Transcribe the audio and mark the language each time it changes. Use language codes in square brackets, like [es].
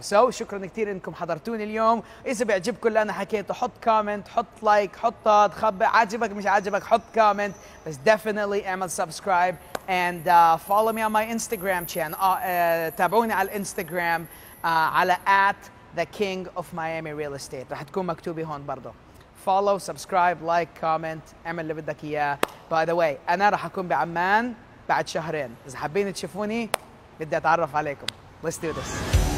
[ar] سو شكرا كثير انكم حضرتوني اليوم، اذا بيعجبكم اللي انا حكيته حط كومنت، حط لايك، حط تخبي، عاجبك مش عاجبك حط كومنت، بس ديفينتلي اعمل سبسكرايب. [en] And follow me on my Instagram channel. [ar] تابعوني على الانستغرام على [en] @thekingofmiamirealestate. [ar] راح تكون مكتوبة هون برضو. [en] Follow, subscribe, like, comment. [ar] اعمل اللي بدك إياه. [en] By the way, [ar] أنا راح أكون بعمان بعد شهرين. إذا حابين تشوفوني بدي أتعرف عليكم. [en] Let's do this.